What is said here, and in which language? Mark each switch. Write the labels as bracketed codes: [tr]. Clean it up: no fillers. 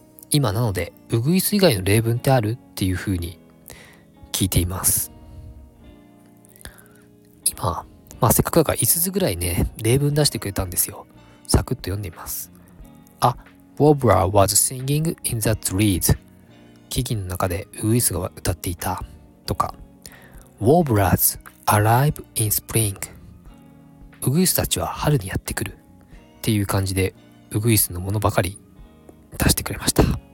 [ja] 今なのでウグイス以外の例文ってあるっていうふうに聞いています。まあせっかくだから5つぐらいね、例文出してくれたんですよ。サクッと読んでみます。 [en] あ、Warbler was singing in the trees。 [ja] 木々の中でウグイスが歌っていた。とか、 [en] Warblers arrive in spring。 [ja] ウグイスたちは春にやってくるっていう感じで、ウグイスのものばかり出してくれました。